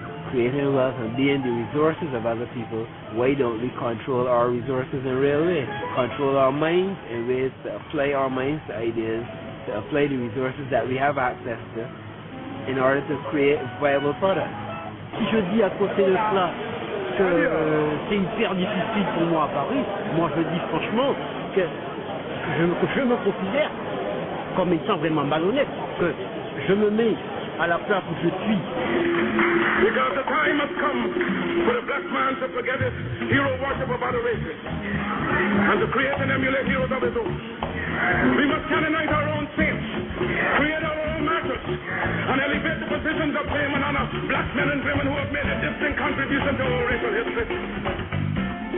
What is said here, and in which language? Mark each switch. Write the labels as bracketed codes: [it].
[en] Creating wealth and being the resources of other people, why don't we control our resources in real ways? Control our minds in ways to apply our minds to ideas, to apply the resources that we have access to in order to create viable products. [fr] Si je dis à côté de cela que c'est hyper difficile pour moi à Paris, moi je dis franchement que je me considère comme étant vraiment malhonnête, que je me mets à la place où je suis. [en] Because the time has come for the black man to forget his hero worship of other races and to create and emulate heroes of his own. We must canonize our own saints, create our own martyrs, and elevate the positions of fame and honor black men and women who have made a distinct contribution to our racial history.